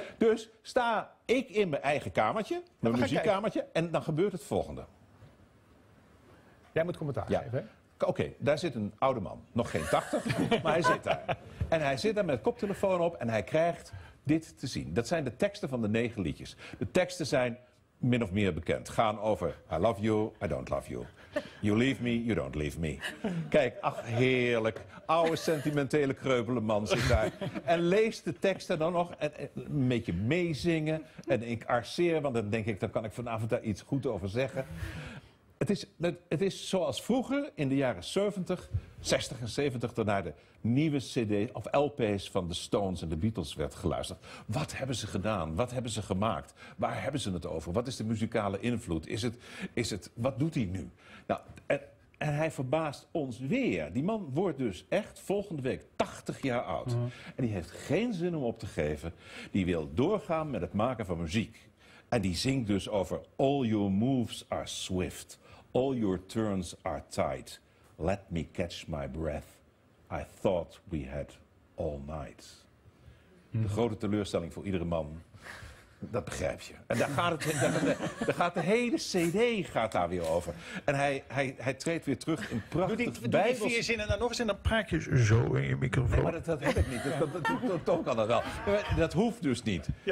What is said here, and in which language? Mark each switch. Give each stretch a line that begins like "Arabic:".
Dutch: Dus sta ik in mijn eigen kamertje, mijn muziekkamertje, en dan gebeurt het volgende. Jij moet commentaar geven. Oké, daar zit een oude man. Nog geen 80, maar hij zit daar. En hij zit daar met koptelefoon op en hij krijgt dit te zien. Dat zijn de teksten van de 9 liedjes. De teksten zijn min of meer bekend.
English: Gaan over I love you, I don't love you. You leave me, you don't leave me.
Dutch: Kijk, ach heerlijk. Oude sentimentele kreupele man zit daar. En leest de teksten dan nog. En een beetje meezingen. En ik arceer, want dan denk ik, dan kan ik vanavond daar iets goed over zeggen. Het is zoals vroeger in de jaren 70, 60 en 70, daarna de nieuwe CD of LP's van de Stones en de Beatles werd geluisterd. Wat hebben ze gedaan? Wat hebben ze gemaakt? Waar hebben ze het over? Wat is de muzikale invloed? Wat doet hij nu? Nou, en hij verbaast ons weer. Die man wordt dus echt volgende week 80 jaar oud. Mm-hmm. En die heeft geen zin om op te geven. Die wil doorgaan met het maken van muziek. En die zingt dus over
English: all your moves are swift, all your turns are tight. Let me catch my breath, I thought we had all night. Mm-hmm.
Dutch: De grote teleurstelling voor iedere man, dat begrijp je. En daar gaat het, de hele CD gaat daar weer over. En hij treedt weer terug in prachtig bijbels. Doe die 4 zinnen dan nog eens en dan praat je zo in je microfoon. Nee, maar dat heb ik niet. Dat kan dat wel. Dat hoeft dus niet.